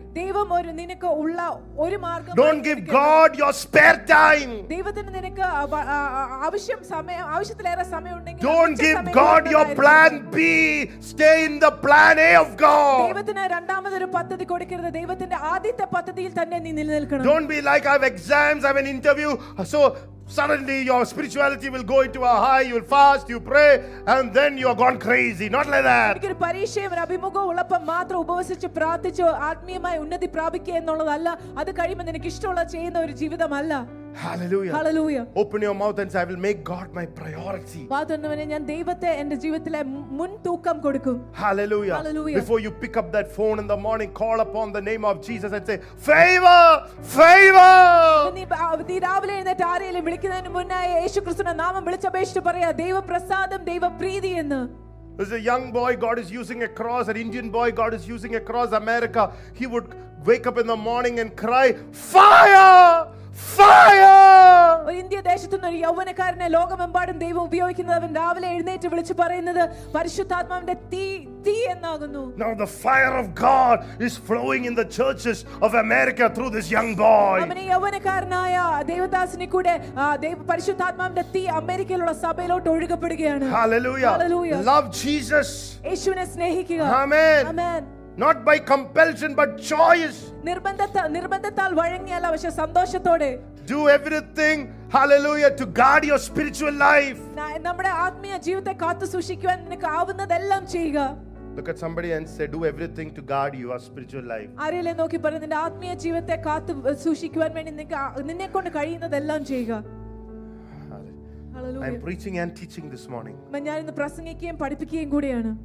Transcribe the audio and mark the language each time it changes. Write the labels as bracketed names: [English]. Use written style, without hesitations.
[Malayalam] ദൈവം ഒരു നിനക്ക് ഉള്ള ഒരു മാർഗ്ഗം. [English] Don't give God your spare time. [Malayalam] ദൈവത്തിന് നിനക്ക് ആവശ്യം സമയം ആവശ്യത്തിലേറെ സമയം ഉണ്ടെങ്കിൽ. [English] Don't give God your plan B. Stay in the plan A of God. [Malayalam] ദൈവത്തിന് രണ്ടാമത്തെ ഒരു പദ്ധതി കൊടുക്കരുത്. ദൈവത്തിന്റെ ആദ്യത്തെ പദ്ധതിയിൽ തന്നെ നീ നിലനിൽക്കണം. [English] Don't be like, I have exams, I have an interview, so suddenly your spirituality will go into a high, you will fast, you pray, and then you are gone crazy. Not like that. [Malayalam] ഇതിനെ പരീക്ഷയും അഭിമുഖവും ഉള്ളപ്പോൾ മാത്രം ഉപവസിച്ച് പ്രാർത്ഥിച്ച് ആത്മീയമായി ഉന്നതി പ്രാപിക്കുക എന്നുള്ളതല്ല. അത് കഴിയുമ്പോൾ നിനക്ക് ഇഷ്ടമുള്ള ചെയ്യുന്ന ഒരു ജീവിതമല്ല. [English] Hallelujah. Hallelujah. Open your mouth and say, I will make God my priority. [Malayalam] വാദനവനെ ഞാൻ ദൈവത്തെ എൻ്റെ ജീവിതത്തിലെ മുൻതൂക്കം കൊടുക്കും. [English] Hallelujah. Hallelujah. Before you pick up that phone in the morning, call upon the name of Jesus and say, favor, favor. [Malayalam] നീ രാവിലെ എഴുന്നേറ്റ് ആരെയെങ്കിലും വിളിക്കുന്നതിന് മുന്നേ യേശുക്രിസ്തുവിന്റെ നാമം വിളിച്ചപേക്ഷിച്ച് പറയാ, ദൈവപ്രസാദം, ദൈവപ്രീതി എന്ന്. [English] There's a young boy God is using across, an Indian boy God is using across America. He would wake up in the morning and cry, fire! Fire! [Malayalam] India ദേശത്തുന്ന ഒരു യൗവനക്കാരനെ ലോകമെമ്പാടും ദൈവം ഉപയോഗിക്കുന്നത് അവൻ രാവിലെ എഴുന്നേറ്റ് വിളിച്ചു പറയുന്നത് പരിശുദ്ധാത്മാവിന്റെ തീ തീ എന്നാകുന്നു. [English] Now the fire of God is flowing in the churches of America through this young boy. [Malayalam] അവൻ യൗവനക്കാരനായ ദൈവദാസനെ കൂടെ ദൈവ പരിശുദ്ധാത്മാവിന്റെ തീ അമേരിക്കയിലുള്ള സഭയിലോട്ട് ഒഴുകപ്പെടുകയാണ്. [English] Hallelujah. Hallelujah. Love Jesus. [Malayalam] യേശുവിനെ സ്നേഹിക്കുക. [English] Amen. Amen. Not by compulsion but choice. [Malayalam] നിർബന്ധത്താൽ വഴങ്ങിയല്ല, പക്ഷെ സന്തോഷത്തോടെ. [English] Do everything, hallelujah, to guard your spiritual life. [Malayalam] നമ്മുടെ ആത്മീയ ജീവിതത്തെ കാത്തു സൂക്ഷിക്കാൻ നിനക്ക് ആവുന്നതെല്ലാം ചെയ്യുക. [English] Look at somebody and say, do everything to guard your spiritual life. [Malayalam] ആരെയെങ്കിലും നോക്കി പറഞ്ഞു, നിന്റെ ആത്മീയ ജീവിതത്തെ കാത്തു സൂക്ഷിക്കാൻ വേണ്ടി നിന്നെ കൊണ്ട് കഴിയുന്നതെല്ലാം ചെയ്യുക. [English] I am preaching and teaching this morning. [Malayalam] ഞാൻ ഇന്ന് പ്രസംഗിക്കുകയും പഠിപ്പിക്കുകയും കൂടിയാണ്.